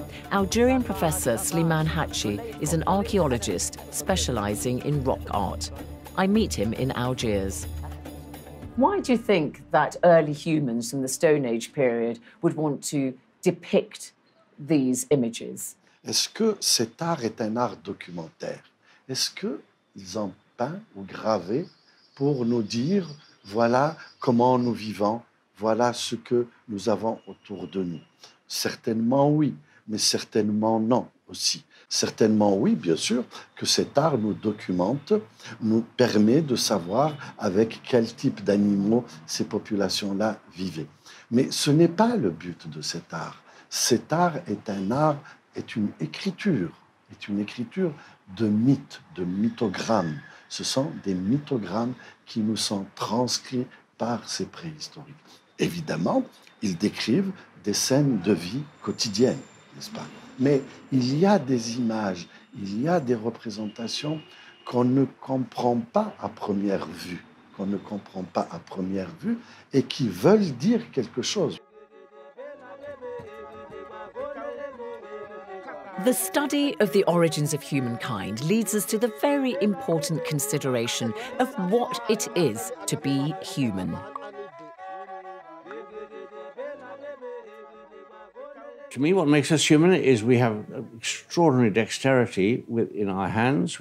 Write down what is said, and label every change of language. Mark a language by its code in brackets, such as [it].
[en] Algerian professor Slimane Hatchi is an archaeologist specializing in rock art. I meet him in Algiers. Why do you think that early humans in the Stone Age period would want to depict these images? [fr] Est-ce que cet art est un art documentaire? Est-ce qu'ils ont peint ou gravé pour nous dire voilà comment nous vivons, voilà ce que nous avons autour de nous? Certainement oui, mais certainement non aussi. Certainement oui, bien sûr, que cet art nous documente, nous permet de savoir avec quel type d'animaux ces populations-là vivaient. Mais ce n'est pas le but de cet art. Cet art est un art, est une écriture de mythes, de mythogrammes. Ce sont des mythogrammes qui nous sont transcrits par ces préhistoriques. Évidemment, ils décrivent des scènes de vie quotidiennes, n'est-ce pas ? Mais il y a des images, il y a des représentations qu'on ne comprend pas à première vue, et qui veulent dire quelque chose. [en] The study of the origins of humankind leads us to the very important consideration of what it is to be human. To me, what makes us human is we have extraordinary dexterity in our hands.